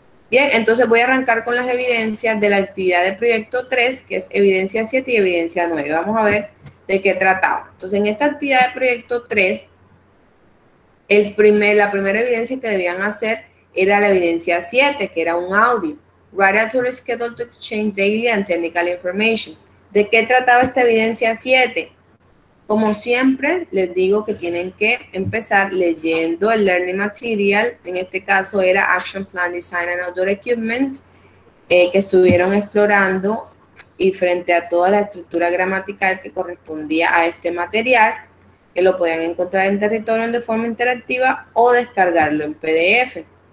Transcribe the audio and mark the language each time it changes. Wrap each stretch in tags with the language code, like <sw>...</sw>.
<es>Bien, entonces voy a arrancar con las evidencias de la actividad de proyecto 3, que es evidencia 7 y evidencia 9. Vamos a ver de qué trataba. Entonces, en esta actividad de proyecto 3, la primera evidencia que debían hacer era la evidencia 7, que era un audio.</es> <en>Write a tour schedule to exchange daily and technical information.</en> <es>¿De qué trataba esta evidencia 7? Como siempre, les digo que tienen que empezar leyendo el learning material. En este caso era Action Plan Design and Outdoor Equipment, que estuvieron explorando, y frente a toda la estructura gramatical que correspondía a este material, que lo podían encontrar en territorio de forma interactiva o descargarlo en PDF.</es>